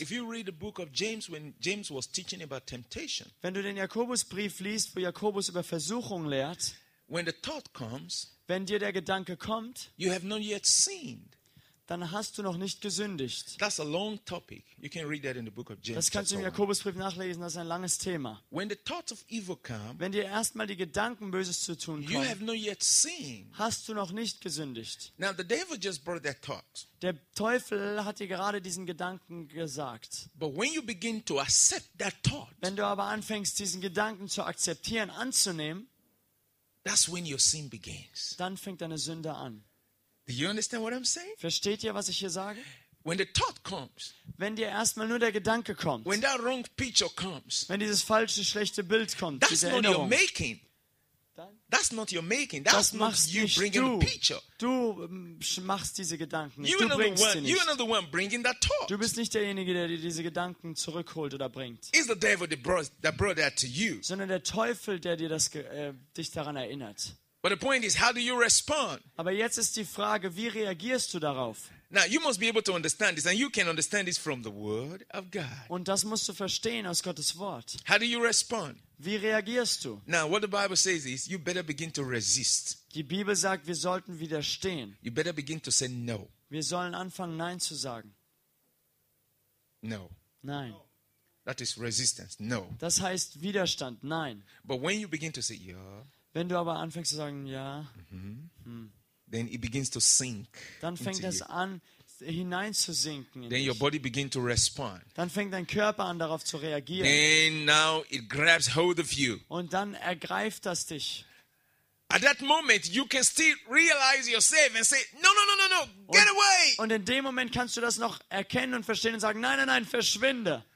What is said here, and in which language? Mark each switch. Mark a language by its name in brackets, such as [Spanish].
[English] If you read the book of James, when James was teaching about temptation. [German] Wenn du den Jakobusbrief liest, wo Jakobus über Versuchung lehrt. [English] When the thought comes, [German] wenn dir der Gedanke kommt, [English] you have not yet sinned. [German] Dann hast du noch nicht gesündigt. [English] That's a long topic. You can read that in the book of James. [German] Das kannst du im Jakobusbrief nachlesen. Das ist ein langes Thema. [English] When the thought of evil comes, [German] wenn dir erstmal die Gedanken Böses zu tun kommen, [English] you have not yet sinned. [German] Hast du noch nicht gesündigt. [English] Now the devil just brought that thought. [German] Der Teufel hat dir gerade diesen Gedanken gesagt. [English] But when you begin to accept that thought, [German] wenn du aber anfängst, diesen Gedanken zu akzeptieren, anzunehmen, [English] that's when your sin begins. [German] Dann fängt deine Sünde an. [English] Do you understand what I'm saying? [German] Versteht ihr, was ich hier sage? [English] When the thought comes. [German] Wenn dir erstmal nur der Gedanke kommt. [English] When that wrong picture comes. [German] Wenn dieses falsche, schlechte Bild kommt. [English] That's not your making. That's not your making. That's not you bringing [German] du. [English] The picture. [German] Du machst diese Gedanken. [English] You [German] du bringst [English] one, [German] sie nicht. [English] You're not the one bringing that thought. [German] Du bist nicht derjenige, der dir diese Gedanken zurückholt oder bringt. [English] It's the devil that brought that to you. [German] Sondern der Teufel, der dir das dich daran erinnert. [English] But the point is, how do you respond? [German] Aber jetzt ist die Frage, wie reagierst du darauf? [English] Now you must be able to understand this, and you can understand this from the Word of God. [German] Und das musst du verstehen aus Gottes Wort. [English] How do you respond? [German] Wie reagierst du? [English] Now what the Bible says is, you better begin to resist. [German] Die Bibel sagt, wir sollten widerstehen. [English] You better begin to say no. [German] Wir sollen anfangen, Nein zu sagen. [English] No. [German] Nein. [English] That is resistance. No. [German] Das heißt Widerstand. Nein. [English] But when you begin to say yeah. [German] Wenn du aber anfängst zu sagen, ja, [English] Then it begins to sink. [German] Dann fängt es an, hineinzusinken. [English] Then your body begins to respond. [German] Dann fängt dein Körper an, darauf zu reagieren. [English] Then now it grabs hold of you. [German] Und dann ergreift das dich. [English] At that moment you can still realize yourself and say, no, get [German] und, [English] away. [German] Und in dem Moment kannst du das noch erkennen und verstehen und sagen, nein, verschwinde.